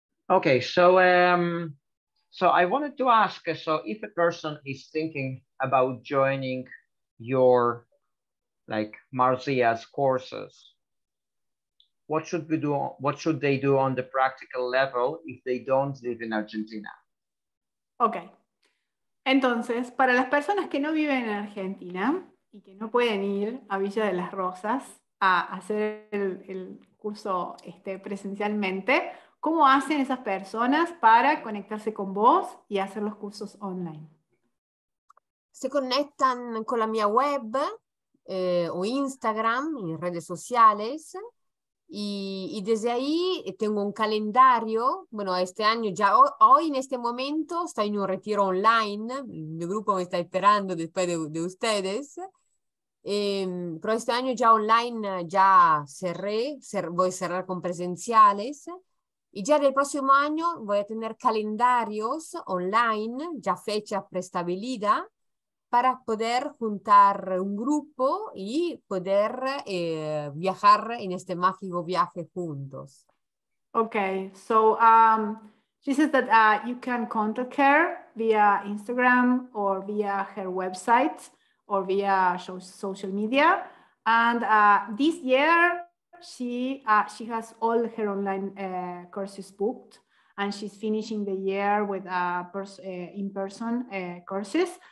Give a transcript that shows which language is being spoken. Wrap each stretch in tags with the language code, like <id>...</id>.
<en>Okay, so I wanted to ask, so if a person is thinking about joining your like Marzia's courses, what should we do? What should they do on the practical level if they don't live in Argentina? Okay.</en> <es>Entonces, para las personas que no viven en Argentina y que no pueden ir a Villa de las Rosas a hacer el curso presencialmente, ¿cómo hacen esas personas para conectarse con vos y hacer los cursos online? Se conectan con la mia web o Instagram, en redes sociales. Y desde ahí tengo un calendario, bueno, este año ya, hoy en este momento estoy en un retiro online, mi grupo me está esperando después de ustedes, pero este año ya online ya voy a cerrar con presenciales, y ya del próximo año voy a tener calendarios online, ya fecha preestablecida, para poder juntar un grupo y poder viajar en este mágico viaje juntos.</es> <en>Okay, so she says that you can contact her via Instagram or via her website or via social media. And this year she has all her online courses booked, and she's finishing the year with in-person courses.</en>